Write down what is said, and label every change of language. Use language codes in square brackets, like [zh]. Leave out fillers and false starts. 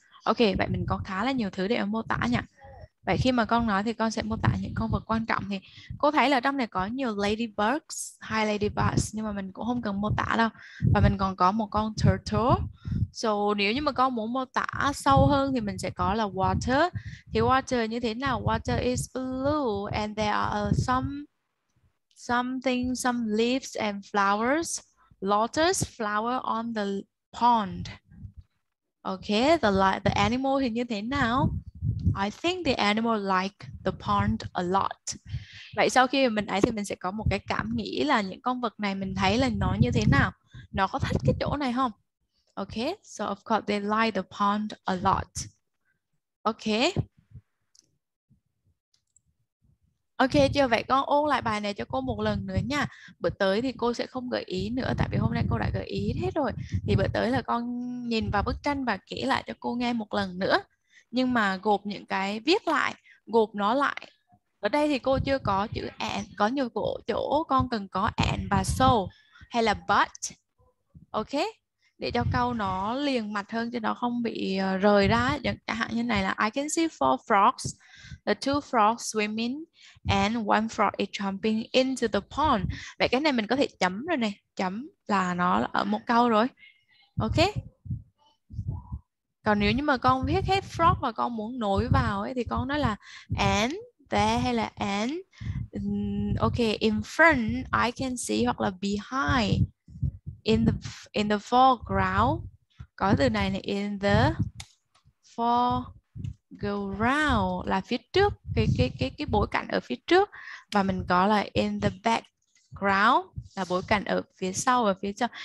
[vi] Okay, vậy mình có khá là nhiều thứ để mô tả nhỉ? Vậy khi mà con nói thì con sẽ mô tả những con vật quan trọng. Thì cô thấy là trong này có nhiều ladybugs, hai ladybugs, nhưng mà mình cũng không cần mô tả đâu. Và mình còn có một con turtle. So nếu như mà con muốn mô tả sâu hơn thì mình sẽ có là water. Thì water như thế nào? [en] Water is blue and there are something, some leaves and flowers. Lotus flower on the pond. Okay, the animal [vi] thì như thế nào? [en] I think the animal like the pond a lot. [vi] Vậy sau khi mình ấy thì mình sẽ có một cái cảm nghĩ là những con vật này mình thấy là nó như thế nào? Nó có thích cái chỗ này không? [en] Okay, so of course they like the pond a lot. Okay. [vi] Okay, chưa vậy con ôn lại bài này cho cô một lần nữa nha. Bữa tới thì cô sẽ không gợi ý nữa tại vì hôm nay cô đã gợi ý hết rồi. Thì bữa tới là con nhìn vào bức tranh và kể lại cho cô nghe một lần nữa. Nhưng mà gộp những cái viết lại, gộp nó lại. Ở đây thì cô chưa có chữ and, có nhiều chỗ con cần có and và so hay là but. Okay? Để cho câu nó liền mạch hơn cho nó không bị rời ra. Chẳng hạn như này là [en] I can see four frogs. The two frogs swimming and one frog is jumping into the pond. [vi] Vậy cái này mình có thể chấm rồi này, chấm là nó ở một câu rồi. Okay? Còn nếu như mà con viết hết frog và con muốn nối vào ấy thì con nói là [en] and there [vi] hay là [en] and okay in front I can see [vi] hoặc là [en] behind in the foreground [vi] có từ này này [en] in the foreground [vi] là phía trước cái bối cảnh ở phía trước và mình có là [en] in the background [vi] là bối cảnh ở phía sau và phía trong.